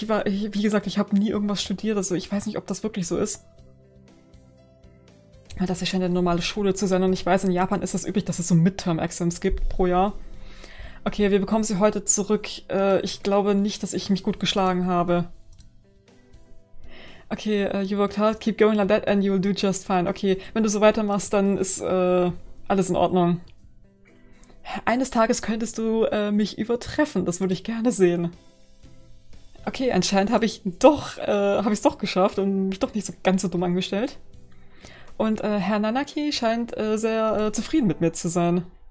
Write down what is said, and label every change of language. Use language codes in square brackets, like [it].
[de] Wie gesagt, ich habe nie irgendwas studiert, also ich weiß nicht, ob das wirklich so ist. Weil das scheint eine normale Schule zu sein und ich weiß, in Japan ist es üblich, dass es so Midterm-Exams gibt pro Jahr. Okay, wir bekommen sie heute zurück. Ich glaube nicht, dass ich mich gut geschlagen habe. [en] Okay, you worked hard, keep going like that and you'll do just fine. [de] Okay, wenn du so weitermachst, dann ist alles in Ordnung. Eines Tages könntest du mich übertreffen, das würde ich gerne sehen. Okay, anscheinend habe ich es doch geschafft und mich doch nicht so ganz so dumm angestellt. Und Herr Nanaki scheint sehr zufrieden mit mir zu sein.